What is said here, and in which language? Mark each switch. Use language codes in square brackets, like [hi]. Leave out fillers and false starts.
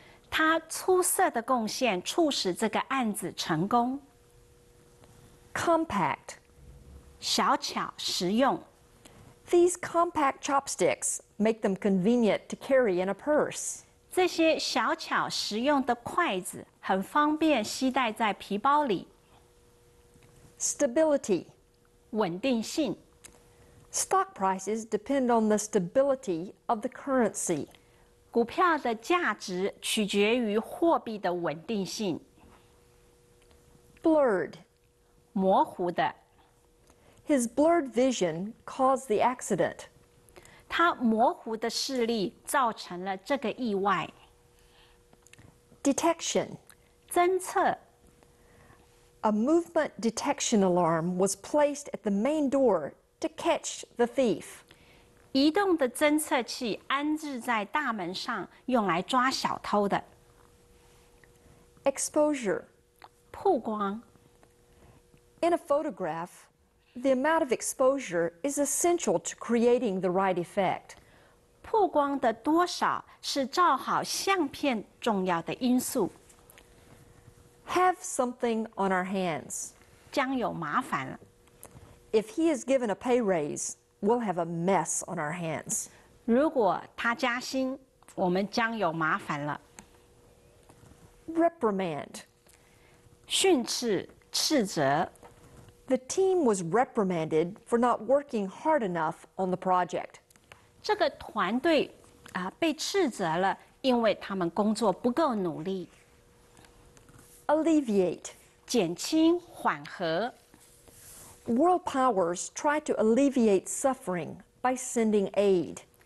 [zh] 他出色的贡献促使这个案子成功。 [en] Compact. [zh] 小巧实用。 [en] These compact chopsticks make them convenient to carry in a purse. [zh] 这些小巧实用的筷子很方便携带在皮包里。 [en] Stability. [zh] 稳定性。 [en] Stock prices depend on the stability of the currency. [zh] 股票的价值取决于货币的稳定性。 [en] Blurred. [zh] 模糊的。 [en] His blurred vision caused the accident. [zh] 他模糊的视力造成了这个意外。 [en] Detection. [zh] 侦测。 [en] A movement detection alarm was placed at the main door to catch the thief. [zh] 移动的侦测器安置在大门上，用来抓小偷的。 [en] Exposure. [zh] 曝光。 [en] In a photograph, the amount of exposure is essential to creating the right effect. [zh] 曝光的多少是照好相片重要的因素。 [en] Have something on our hands. [zh] 将有麻烦了。 [en] If he is given a pay raise, we'll have a mess on our hands. [zh] 如果他加薪，我们将有麻烦了。 [en] Reprimand. [zh] 训斥、斥责。 [en] The team was reprimanded for not working hard enough on the project. [zh] 这个团队啊，被斥责了，因为他们工作不够努力。 [en] Alleviate. [zh] 减轻、缓和。 [en] World powers try to alleviate suffering by sending aid.